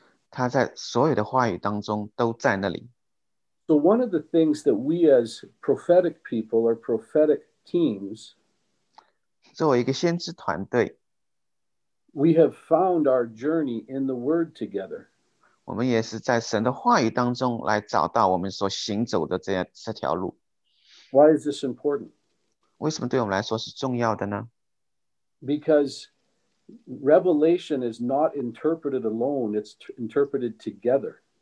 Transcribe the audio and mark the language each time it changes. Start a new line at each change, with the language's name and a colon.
Chinese: 他在所有的话语当中都在那里。
English: So one of the things that we as prophetic people or prophetic teams,
Chinese: 作为一个先知团队,
English: we have found our journey in the Word together.
Chinese: 我们也是在神的话语当中来找到我们所行走的这条路。
English: Why is this important?
Chinese: 为什么对我们来说是重要的呢?
English: Because revelation is not interpreted alone, it's interpreted together.